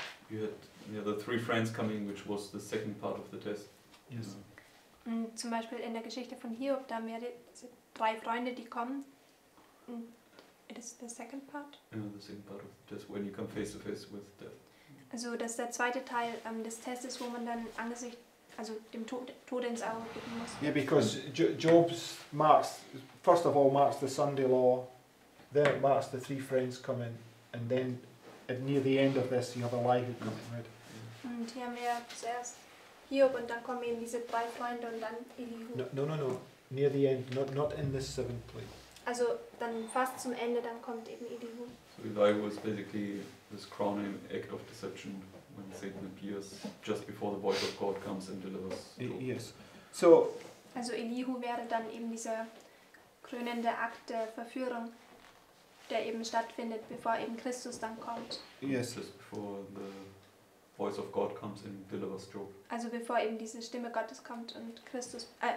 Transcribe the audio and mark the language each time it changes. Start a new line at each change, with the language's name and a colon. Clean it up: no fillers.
English: You had the three friends coming, which was the second part of the test. Yes.
German: Und zum Beispiel in der Geschichte von Hiob, da haben wir drei Freunde, die kommen. Und
English: is the second part. Yeah, the second part of the test, when you come face to face with death.
German: Also, dass der zweite Teil des Tests, wo man dann angesichts, also dem Tod ins Auge blicken muss.
English: Yeah, because Job's marks, first of all marks the Sunday law, then it marks the three friends coming, and then at near the end of this you have Elihu coming, right?
German: Und hier haben wir zuerst Hiob und dann kommen eben diese drei Freunde und dann Elihu.
English: No. Near the end, not in this seventh plague.
German: Also dann fast zum Ende, dann kommt eben Elihu.
English: So Elihu is basically this crowning act of deception when Satan appears just before the voice of God comes and delivers Job. Yes. So.
German: Also Elihu wäre dann eben dieser krönende Akt der Verführung, der eben stattfindet, bevor eben Christus dann kommt.
English: Yes. Just before the voice of God comes and delivers Job.
German: Also bevor eben diese Stimme Gottes kommt und Christus.